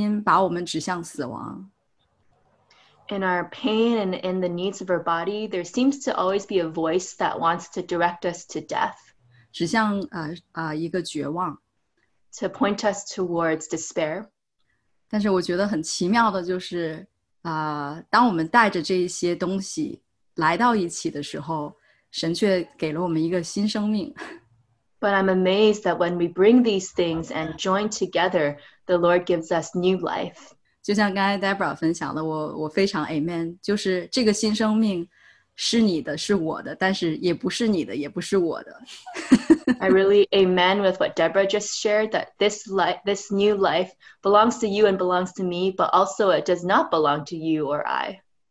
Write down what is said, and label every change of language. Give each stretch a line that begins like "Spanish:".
Chinese: 好像就是在各样的痛苦还有身体上面的这个需要里面，其实好像总有一个声音把我们指向死亡。
English: In our pain and in the needs of our body, there seems to always be a voice that wants to direct us to death.
Chinese: 指向一个绝望。
English: To point us towards despair.
Chinese: 但是我觉得很奇妙的就是当我们带着这些东西来到一起的时候， 神却给了我们一个新生命。
English: But I'm amazed that when we bring these things and join together, the Lord gives us new life.
Chinese: 就像刚才Debra分享的，我非常amen， 就是这个新生命是你的，是我的，但是也不是你的，也不是我的。
English: I really amen with what Debra just shared, that this new life belongs to you and belongs to me, but also it does not belong to you or I.